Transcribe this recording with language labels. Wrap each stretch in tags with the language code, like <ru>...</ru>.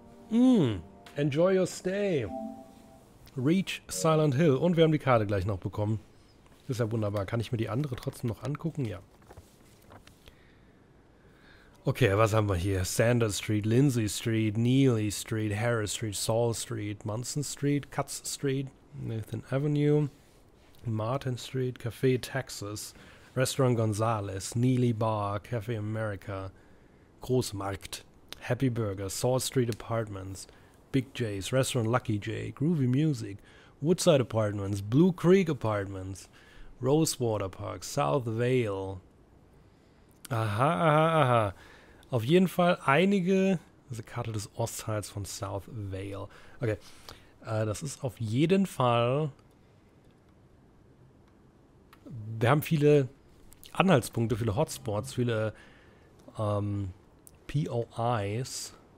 <en>Enjoy your stay. Reach Silent Hill.</en> <de>Und wir haben die Karte gleich noch bekommen. Ist ja wunderbar. Kann ich mir die andere trotzdem noch angucken? Ja. Okay, was haben wir hier? Sanders Street, Lindsay Street, Neely Street, Harris Street, Saul Street, Munson Street, Cuts Street, Nathan Avenue, Martin Street, Café Texas, Restaurant Gonzales, Neely Bar, Café America, Großmarkt, Happy Burger, Saul Street Apartments, Big J's, Restaurant Lucky J, Groovy Music, Woodside Apartments, Blue Creek Apartments, Rosewater Park, South Vale. Aha. Auf jeden Fall einige... Das ist eine Karte des Ostteils von South Vale. Okay. Das ist auf jeden Fall... Wir haben viele Anhaltspunkte, viele Hotspots, viele POIs...</de>